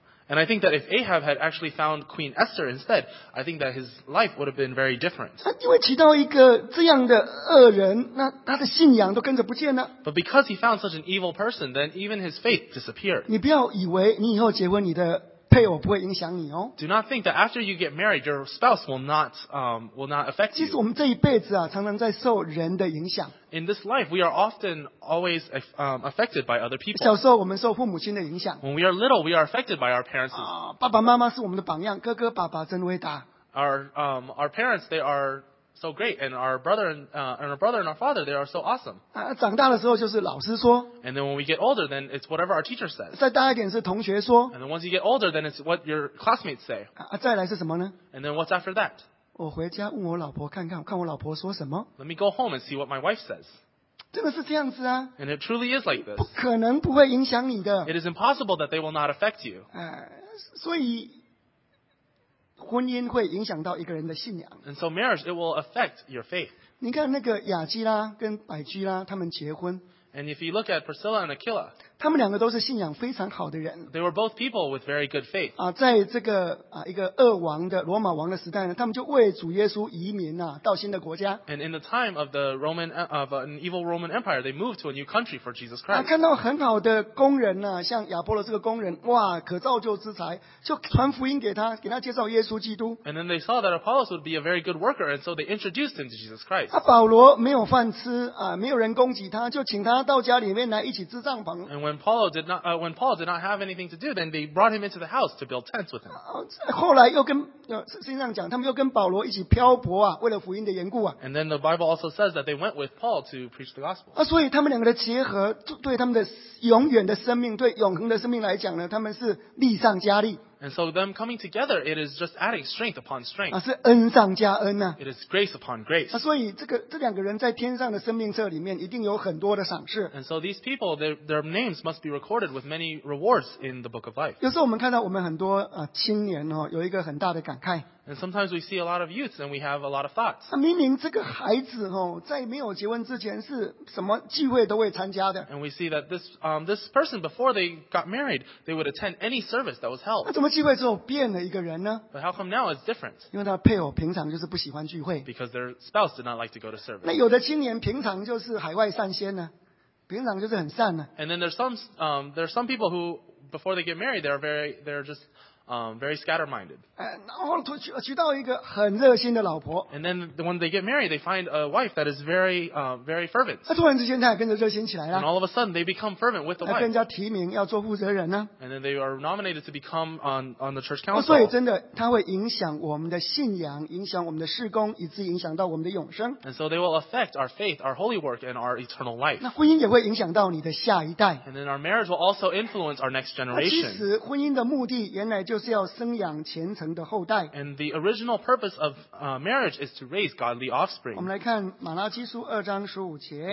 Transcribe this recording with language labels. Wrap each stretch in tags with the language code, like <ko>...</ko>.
<en>And I think that if Ahab had actually found Queen Esther instead, I think that his life would have been very different.</en> <zh>因为娶到一个这样的恶人，那他的信仰都跟着不见了。</zh> <en>But because he found such an evil person, then even his faith disappeared.</en> <zh>你不要以为你以后结婚，你的配偶不会影响你哦。</zh> <en>Do not think that after you get married, your spouse will not affect you.</en> <zh>其实我们这一辈子啊，常常在受人的影响。</zh> <en>In this life, we are often always affected by other people.</en> <zh>小时候我们受父母亲的影响。</zh> <en>When we are little, we are affected by our parents.</en> <zh>啊，爸爸妈妈是我们的榜样，哥哥爸爸真伟大。</zh> <en>Our parents, they are so great, and our brother and our father, they are so awesome.</en> <zh>啊，长大的时候就是老师说。</zh> <en>And then when we get older, then it's whatever our teacher says.</en> <zh>再大一点是同学说。</zh> <en>And then once you get older, then it's what your classmates say.</en> <zh>啊，再来是什么呢</zh> <en>？And then what's after that?</en> <zh>我回家问我老婆看看，看我老婆说什么。</zh> <en>Let me go home and see what my wife says.</en> <zh>真的是这样子啊</zh> <en>？And it truly is like this.</en> <zh>不可能不会影响你的。</zh> <en>It is impossible that they will not affect you.</en> <zh>所以。婚姻会影响到一个人的信仰。</zh> <en>And so marriage, it will affect your faith.</en> <zh>你看那个亚基拉跟百基拉他们结婚。</zh> <en>And if you look at Priscilla and Aquila,</en> <zh>他们两个都是信仰非常好的人。</zh> <en>They were both people with very good faith.</en> <zh>啊，在这个啊一个恶王的罗马王的时代呢，他们就为主耶稣移民啊到新的国家。</zh> <en>And in the time of the Roman of an evil Roman Empire, they moved to a new country for Jesus Christ.</en> <zh>啊，看到很好的工人呢，像亚波罗这个工人，哇，可造就之才，就传福音给他，给他介绍耶稣基督。</zh> <en>And then they saw that Apollos would be a very good worker, and so they introduced him to Jesus Christ.</en> <zh>啊，保罗没有饭吃啊，没有人供给他，就请他到家里面来一起支帐篷。</zh> <en>And when Paul did not have anything to do, then they brought him into the house to build tents with him.</en> <zh>后来又跟圣经讲，他们又跟保罗一起漂泊啊，为了福音的缘故啊。</zh> <en>And then the Bible also says that they went with Paul to preach the gospel.</en> <zh>所以他们两个的结合，对他们的永远的生命，对永恒的生命来讲呢，他们是力上加力。</zh> <en>And so them coming together, it is just adding strength upon strength.</en> <zh>是恩上加恩啊。</zh> <en>It is grace upon grace.</en> <zh>所以这两个人在天上的生命册里面一定有很多的赏赐。</zh> <en>And so these people, their names must be recorded with many rewards in the book of life.</en> <zh>有时候我们看到我们很多青年哦，有一个很大的感慨。</zh> <en>And sometimes we see a lot of youths and we have a lot of thoughts.</en> <zh>明明这个孩子哦，在没有结婚之前是什么聚会都会参加的。</zh> <en>And we see that this person before they got married, they would attend any service that was held.</en> <zh>那怎么聚会之后变了一个人呢</zh> <en>？But how come now it's different?</en> <zh>因为他配偶平常就是不喜欢聚会。</zh> <en>Because their spouse did not like to go to service.</en> <zh>那有的青年平常就是海外散仙呢，平常就是很散呢。</zh> <en>And then there's some people who before they get married, they're just very scatter-minded.</en> <zh>然后娶到一个很热心的老婆。</zh> <en>And then when they get married, they find a wife that is very, very fervent.</en> <zh>突然之间她也跟着热心起来了。</zh> <en>And all of a sudden, they become fervent with the wife.</en> <zh>更加提名要做负责人呢。</zh> <en>And then they are nominated to become on the church council.</en> <zh>所以真的，它会影响我们的信仰，影响我们的事工，以至影响到我们的永生。</zh> <en>And so they will affect our faith, our holy work, and our eternal life.</en> <zh>那婚姻也会影响到你的下一代。</zh> <en>And then our marriage will also influence our next generation.</en> <zh>其实婚姻的目的原来就是要生养虔诚的后代。</zh> <en>And the original purpose of marriage is to raise godly offspring.</en> <zh>我们来看马拉基书2章15节。</zh>